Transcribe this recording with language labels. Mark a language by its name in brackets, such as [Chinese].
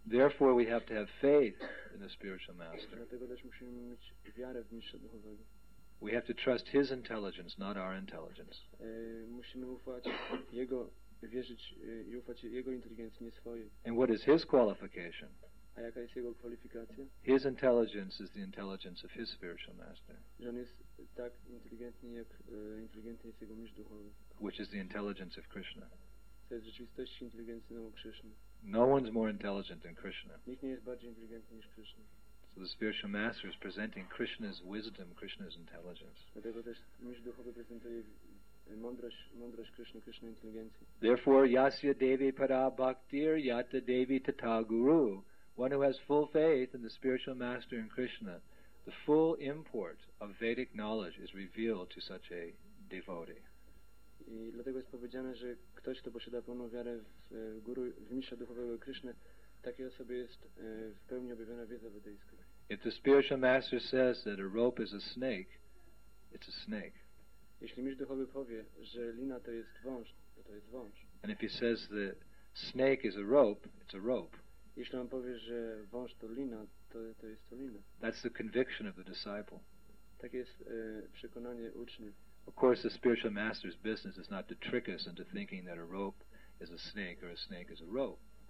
[English] Therefore we have to have faith in the spiritual master. [Polish] Dlatego też musimy mieć wiarę w mistrza duchowego. [English] We have to trust his intelligence, not our intelligence. [Polish] Musimy ufać jego, wierzyć i ufać jego inteligencji, nie swojej. [English] And what is his qualification? [Polish] A jaka jest jego kwalifikacja? [English] His intelligence is the intelligence of his spiritual master. [Polish] Że on jest tak inteligentny, jak inteligentny jest jego mistrz duchowy. [English] Which is the intelligence of Krishna. [Polish] To jest rzeczywistość inteligencyjnego Krishna. [English] No one's more intelligent than Krishna. [Polish] Nikt nie jest bardziej inteligentny niż Krishna. [English] So the spiritual master is presenting Krishna's wisdom, Krishna's intelligence. [Polish] Dlatego też mistrz duchowy prezentuje mądrość Krishna, Krishna inteligencji. [Sanskrit] Therefore, yasya devi para bhaktir yata devi tata guru. [English] One who has full faith in the spiritual master in Krishna, the full import of Vedic knowledge is revealed to such a devotee. [Polish] I dlatego jest powiedziane, że ktoś, kto posiada pełną wiarę w guru, w mistrza duchowego Krishna, takiej osobie jest w pełni objawiona wiedza wedyjska. [English] If the spiritual master says that a rope is a snake, it's a snake. [Polish] Jeśli mistrz duchowy powie, że lina to jest wąż, to to jest wąż. [English] And if he says the snake is a rope, it's a rope. [Polish] Jeśli on powie, że wąż to lina, to jest to lina. [English] That's the conviction of the disciple. [Polish] Tak jest przekonanie ucznia. [English] Of course, the spiritual master's business is not to trick us into thinking that a rope is a snake or a snake is a rope.